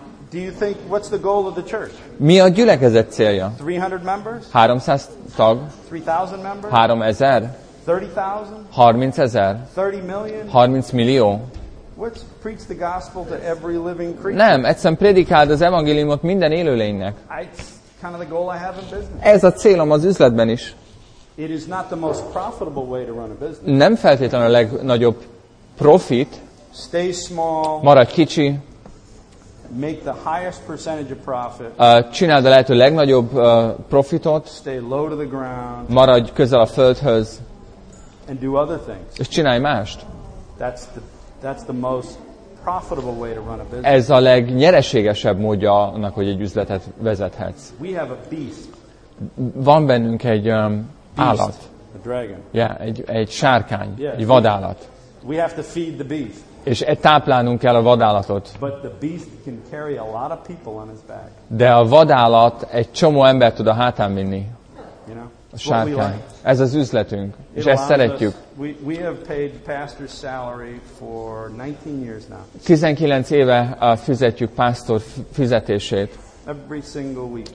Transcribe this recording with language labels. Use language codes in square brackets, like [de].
[en] Do you think what's the goal of the church? [hu] Mi a gyülekezet célja? [en] 300 members? [hu] 300 tag? [en] 3000 members? [hu] 3000? [en] 30,000? [hu] 30,000? [en] 30 million? [hu] 30 millió? [en] What's preach the gospel to every living creature? [hu] Nem, egyszerűen prédikáld az evangéliumot minden élőlénynek. [en] It's kind of the goal I have in business. [hu] Ez a célom az üzletben is. [en] It is not the most profitable way to run a business. [hu] Nem feltétlenül a legnagyobb profit. [en] Stay small. [hu] Maradj kicsi. [en] Make the highest percentage of profit. [hu] Csináld a lehető legnagyobb profitot. [en] Stay low to the ground. [hu] Maradj közel a földhöz. [en] And do other things. [hu] És csinálj mást. [en] That's the most profitable way to run a business. [hu] Ez a legnyereségesebb módja annak, hogy egy üzletet vezethetsz. [en] We have a beast. [hu] Van bennünk egy állat. [en] A dragon. [hu] Yeah, egy sárkány, yeah, egy vadállat. [en] We have to feed the beast. [hu] És táplálnunk kell a vadállatot. [en] But the beast can carry a lot of people on his back. [hu] De a vadállat egy csomó embert tud a hátán vinni. [en] You know, [hu] a sárkány. Ez az üzletünk. [en] It [hu] és ezt szeretjük. [en] We have paid pastor's salary for 19 years now. [hu] 19 éve fizetjük pásztor fizetését. [en] Every single week.